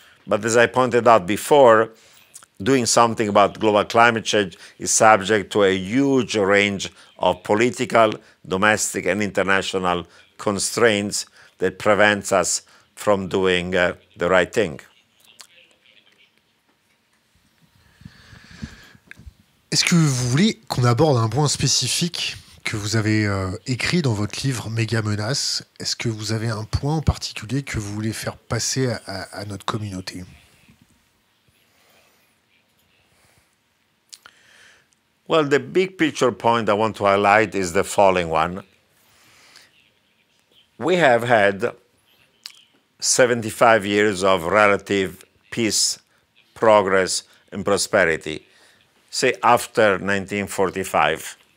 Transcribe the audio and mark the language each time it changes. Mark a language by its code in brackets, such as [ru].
[en] But as I pointed out before, doing something about global climate change is subject to a huge range of political, domestic, and international constraints that prevents us from doing the right thing. [fr] Est-ce que vous voulez qu'on aborde un point spécifique que vous avez écrit dans votre livre Mégamenaces? Est-ce que vous avez un point en particulier que vous voulez faire passer à notre communauté? [en] Well, the big picture point I want to highlight is the following one. We have had 75 years of relative peace, progress, and prosperity, say after 1945.